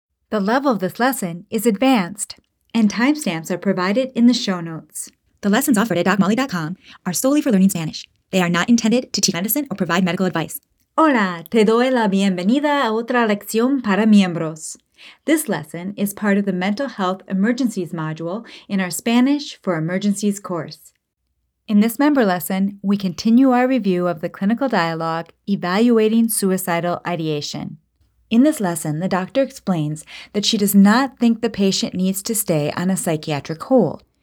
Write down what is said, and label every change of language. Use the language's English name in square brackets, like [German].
[English] The level of this lesson is advanced, and timestamps are provided in the show notes. The lessons offered at DocMolly.com are solely for learning Spanish. They are not intended to teach medicine or provide medical advice. [Spanish] Hola, te doy la bienvenida a otra lección para miembros. [English] This lesson is part of the Mental Health Emergencies module in our Spanish for Emergencies course. In this member lesson, we continue our review of the clinical dialogue, Evaluating Suicidal Ideation. In this lesson, the doctor explains that she does not think the patient needs to stay on a psychiatric hold.